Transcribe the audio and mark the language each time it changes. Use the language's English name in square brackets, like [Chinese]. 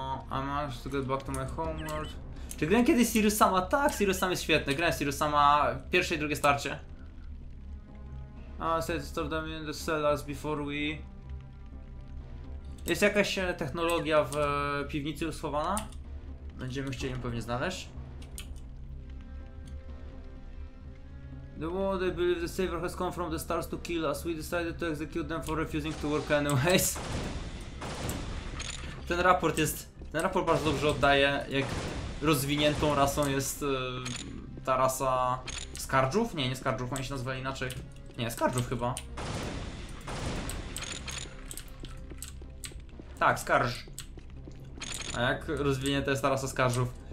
[English] I'm about to get back to my homeworld. [Polish] Czy grałem kiedyś Sirusama? Tak, Sirusama jest świetny. Grałem Sirusama w pierwsze i drugie starcie. [English] Said to store them in the cellars before we... [Polish] Jest jakaś technologia w piwnicy schowana? Będziemy chcieli ją pewnie znaleźć. [English] The war they believe the savior has come from the stars to kill us. We decided to execute them for refusing to work anyways. [Polish] Ten raport jest... Ten raport bardzo dobrze oddaje, jak rozwiniętą rasą jest ta rasa skarżów? Nie, nie skarżów, oni się nazywali inaczej. Nie, skarżów chyba. Tak, skarż. A jak rozwinięta jest ta rasa skarżów?